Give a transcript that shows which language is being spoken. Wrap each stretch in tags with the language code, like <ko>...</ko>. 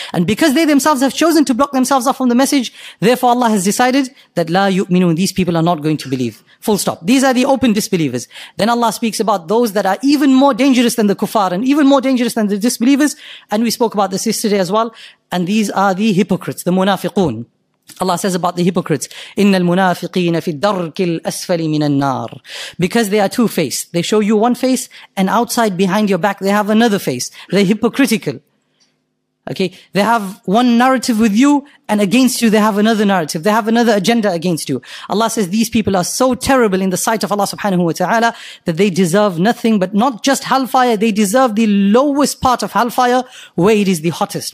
<en>And because they themselves have chosen to block themselves off from the message, therefore Allah has decided that لا يؤمنون, these people are not going to believe. Full stop. These are the open disbelievers. Then Allah speaks about those that are even more dangerous than the kuffar and even more dangerous than the disbelievers. And we spoke about this yesterday as well. And these are the hypocrites, the munafiqun. Allah says about the hypocrites,</en> <ar>إِنَّ الْمُنَافِقِينَ فِي الدَّرْكِ الْأَسْفَلِ مِنَ النَّارِ.</ar> <en>Because they are two-faced. They show you one face, and outside, behind your back, they have another face. They're hypocritical. Okay, they have one narrative with you, and against you they have another narrative. They have another agenda against you. Allah says these people are so terrible in the sight of Allah subhanahu wa ta'ala that they deserve nothing but not just hellfire, they deserve the lowest part of hellfire where it is the hottest.</en>